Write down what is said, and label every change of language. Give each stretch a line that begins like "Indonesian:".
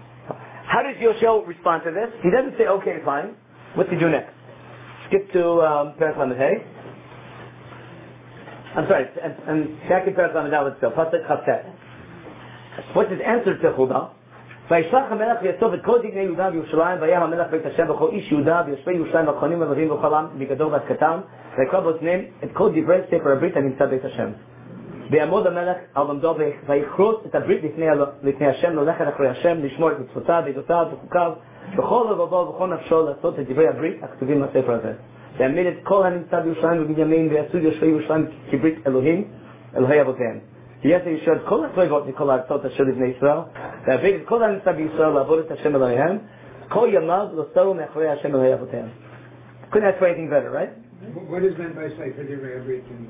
English: How does Yoshio respond to this? He doesn't say, okay, fine. What's he do next? Skip to Perek Lamed Hey. I'm sorry, and back in Perek Lamed Aleph still. Pasuk Chaset. What's his answer to Chuda?
Hebrew: וישלח המלך ויצוב את כל דגני יהודה וירושלים ויהיה המלך בית השם וכל איש יהודה ויושבי ירושלים והכהנים והלווים וכל עם מגדול ועד קטן ויקרא באוזניהם את כל דברי ספר הברית הנמצא בית השם ויעמוד המלך על עמדו ויכרות את הברית לפני השם ללכת אחרי השם לשמור את מצוותיו ועדותיו וחוקיו וכל לבבו וכל נפשו לעשות את דברי הברית הכתובים בספר הזה ויעמיד את כל הנמצא בירושלים ובנימין ויעשו יושבי ירושלים כברית אלוהים אלוהי אבותיהם יעשה ישראל כל הצבאות מכל הארצות אשר לבני ישראל, להביא את כל הנמצא בישראל לעבוד את השם אלוהיהם, כל ימיו לא סרו מאחורי השם אלוהי אבותיהם.
English: Couldn't ask for anything better, right? What is meant by say, for the Rebbe,